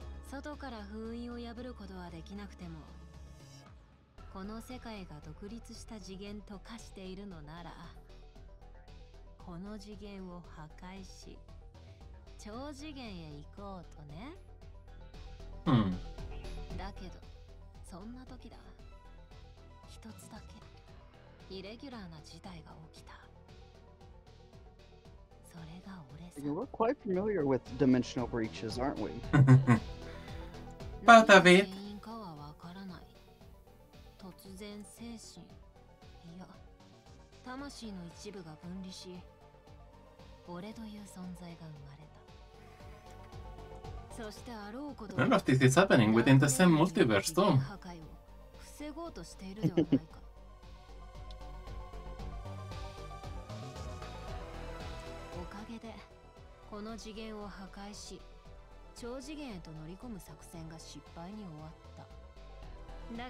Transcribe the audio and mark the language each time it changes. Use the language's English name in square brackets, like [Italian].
[Japanese] 外から封印を破ることはできなくても、この世界が独立した次元と化しているのなら、この次元を破壊し超次元へ行こうとね。うん。だけどそんな時だ、一つだけイレギュラーな事態が起きた。それが俺さ。 [English] We're quite familiar with dimensional breaches, aren't we? But a bit. [Japanese] 原因かはわからない。突然精神、いや、魂の一部が分離し、俺という存在が生まれた。そしてあろうこと、 [English] None of this is happening within the same multiverse, Tom. [Japanese] 破壊を防ごうとしているではないか。おかげで、この次元を破壊し、超次元へと乗り込む作戦が失敗に終わった。